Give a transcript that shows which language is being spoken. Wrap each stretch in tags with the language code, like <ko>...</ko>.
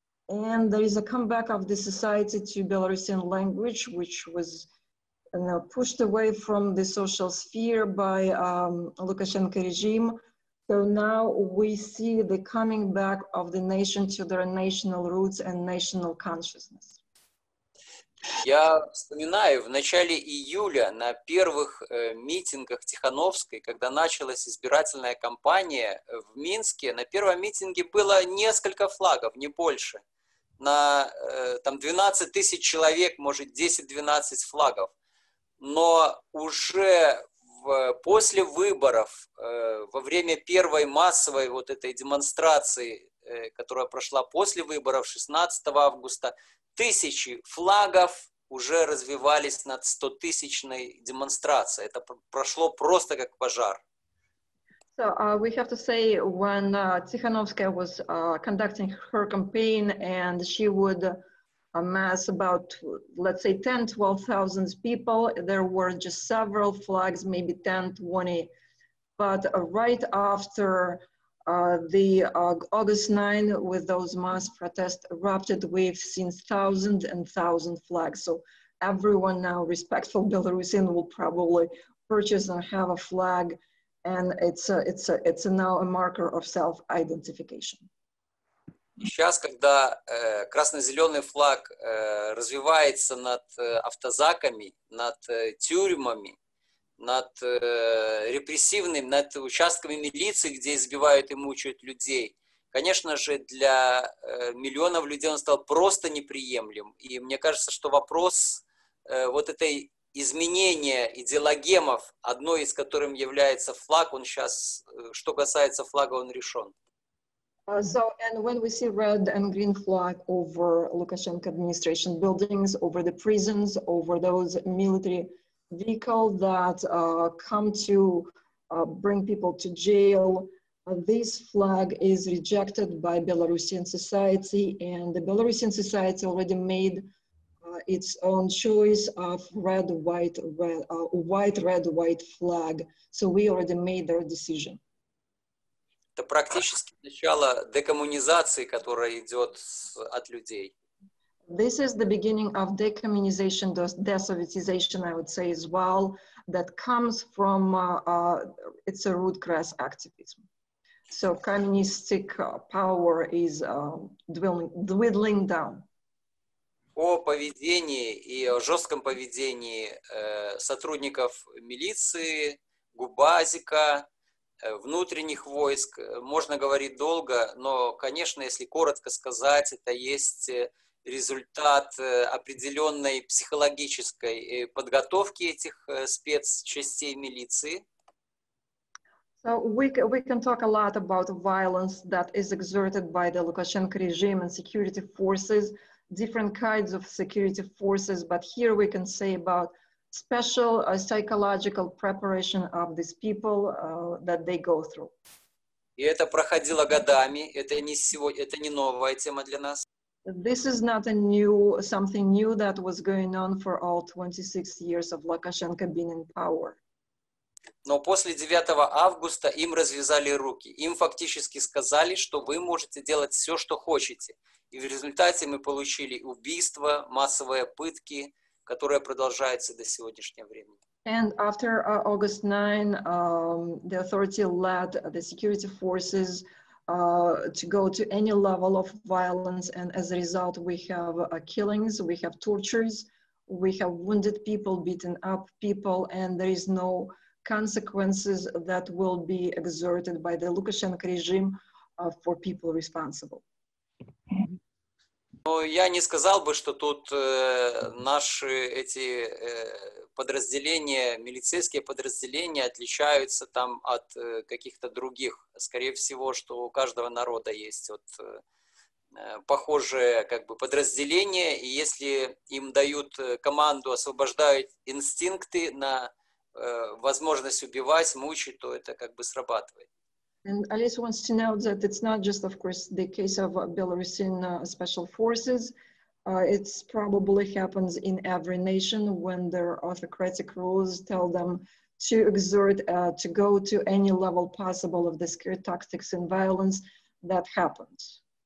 <en>And there is a comeback of the society to Belarusian language, which was pushed away from the social sphere by Lukashenko regime. So now we see the coming back of the nation to their national roots and national consciousness.</en> <ru>Я вспоминаю, в начале июля на первых митингах Тихановской, когда началась избирательная кампания в Минске, на первом митинге было несколько флагов, не больше. На там 12 тысяч человек, может, 10-12 флагов. Но уже после выборов, во время первой массовой вот этой демонстрации, которая прошла после выборов 16 августа, тысячи флагов уже развивались над 100-тысячной демонстрацией. Это прошло просто как пожар.</ru> <en>So we have to say when Tikhanovskaya was conducting her campaign and she would amass about, let's say, 10-12,000 people, there were just several flags, maybe 10-20. But right after August 9, with those mass protests erupted, we've seen thousands and thousands flags. So everyone now, respectful Belarusian, will probably purchase and have a flag. And it's now a marker of self-identification.</en> <ru>Сейчас, когда красно-зеленый флаг развивается над автозаками, над тюрьмами, над репрессивными, над участками милиции, где избивают и мучают людей, конечно же, для миллионов людей он стал просто неприемлем. И мне кажется, что вопрос вот этой изменения идеологемов, одной из которых является флаг, он сейчас, что касается флага, он решен.</ru> <en>So, and when we see red and green flag over Lukashenko administration buildings, over the prisons, over those military vehicles that come to bring people to jail, this flag is rejected by Belarusian society, and the Belarusian society already made its own choice of white, red, white flag. So we already made their decision.</en> <ru>Это практически начало декоммунизации, которая идет от людей.</ru> <en>This is the beginning of decommunization, desovietization, I would say, as well, that comes from, it's a root grass activism. So communistic power is dwindling down.</en> <ru>О поведении и о жестком поведении сотрудников милиции, Губазика, внутренних войск можно говорить долго, но, конечно, если коротко сказать, это есть результат определенной психологической подготовки этих спецчастей милиции.</ru> <en>So we can talk a lot about violence that is exerted by the Lukashenko regime and security forces, different kinds of security forces, but here we can say about special psychological preparation of these people that they go through.</en> <ru>И это проходило годами. Это не сегодня, это не новая тема для нас.</ru> <en>This is not a new, something new that was going on for all 26 years of Lukashenko being in power.</en> <ru>Но после 9 августа им развязали руки. Им фактически сказали, что вы можете делать все, что хотите. И в результате мы получили убийства, массовые пытки, которая продолжается до сегодняшнего времени.</ru> <en>And after August 9, the authority led the security forces to go to any level of violence, and as a result, we have killings, we have tortures, we have wounded people, beaten up people, and there is no consequences that will be exerted by the Lukashenko regime for people responsible.</en> <ru>Но я не сказал бы, что тут наши эти подразделения, милицейские подразделения отличаются там от каких-то других. Скорее всего, что у каждого народа есть вот похожие как бы подразделения, и если им дают команду освобождать инстинкты на возможность убивать, мучить, то это как бы срабатывает.</ru> <en>And Alice wants to note that it's not just, of course, the case of Belarusian special forces. It's probably happens in every nation when their autocratic rules tell them to exert, to go to any level possible of the scare tactics and violence that happens.</en>